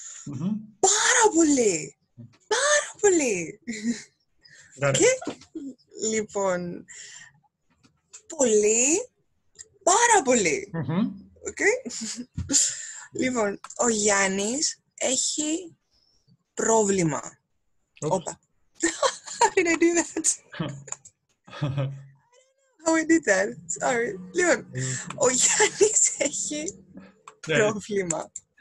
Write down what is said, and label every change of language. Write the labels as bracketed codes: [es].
[el] Mm-hmm. Πάρα πολύ. Πάρα πολύ. Και, λοιπόν. Πολύ. Πάρα πολύ. Mm-hmm. Okay. Λοιπόν, ο Γιάννης έχει πρόβλημα. Όπα. [en] How did I do that? I don't know how I did that. Sorry. [el] Λοιπόν, ο Γιάννης έχει πρόβλημα.